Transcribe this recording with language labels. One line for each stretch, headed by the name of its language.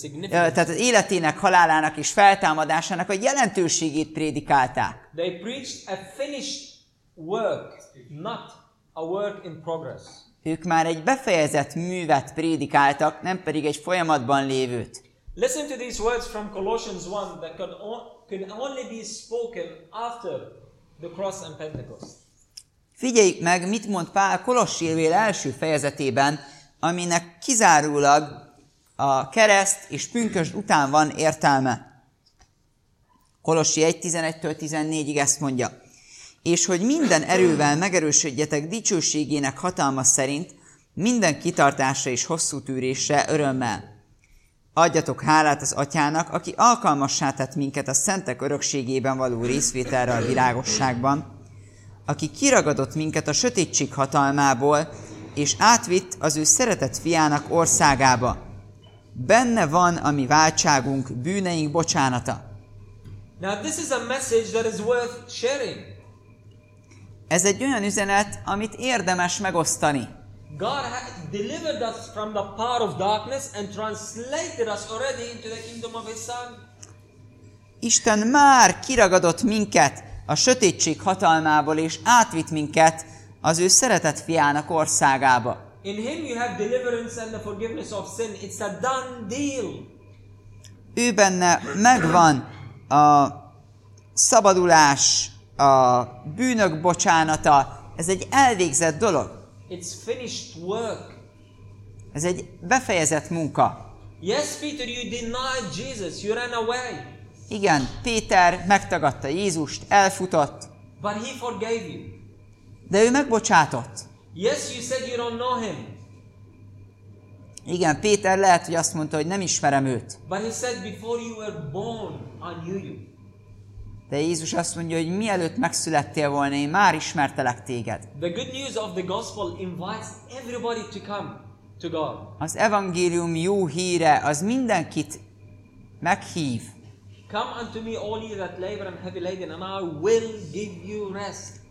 Hungarian: Tehát az életének, halálának és feltámadásának a jelentőségét prédikálták.
English: They preached a finished work, not a work in progress.
Hungarian: Ők már egy befejezett művet prédikáltak, nem pedig egy folyamatban lévőt.
English: Listen to these words from Colossians 1 that can only be spoken after the cross and Pentecost.
Hungarian: Figyeljük meg, mit mond Pál Kolossi levél első fejezetében, aminek kizárólag a kereszt és pünkösd után van értelme. Kolossi 1:11-14-ig ezt mondja. És hogy minden erővel megerősödjetek dicsőségének hatalma szerint, minden kitartásra és hosszú tűrésre örömmel. Adjatok hálát az Atyának, aki alkalmassá tett minket a szentek örökségében való részvételre a világosságban, aki kiragadott minket a sötétség hatalmából, és átvitt az ő szeretett fiának országába. Benne van a mi váltságunk, bűneink bocsánata.
English: Now this is a message that is worth sharing.
Hungarian: Ez egy olyan üzenet, amit érdemes megosztani.
English: God has delivered us from the power of darkness and translated us already into the kingdom of his son.
Hungarian: Isten már kiragadott minket a sötétség hatalmából és átvitt minket az ő szeretett fiának országába.
English: In him you have deliverance and the forgiveness of sin. It's a done deal.
Hungarian: Ő benne megvan a szabadulás, a bűnök bocsánata. Ez egy elvégzett dolog.
English: It's finished work.
Hungarian: Ez egy befejezett munka.
English: Yes, Peter, you denied Jesus. You ran away.
Hungarian: Igen, Péter megtagadta Jézust, elfutott.
English: But he forgave you.
Hungarian: De ő megbocsátott.
English: Yes, you said you don't know him.
Hungarian: Igen, Péter lehet, hogy azt mondta, hogy nem ismerem őt.
English: But he said before you were born, I knew you.
Hungarian: De Jézus azt mondja, hogy mielőtt megszülettél volna, én már ismertelek téged.
English: The good news of the gospel invites everybody to come to God.
Hungarian: Az evangélium jó híre, az mindenkit meghív.
English: Come unto me all ye that labor and heavy laden, and I will give you rest.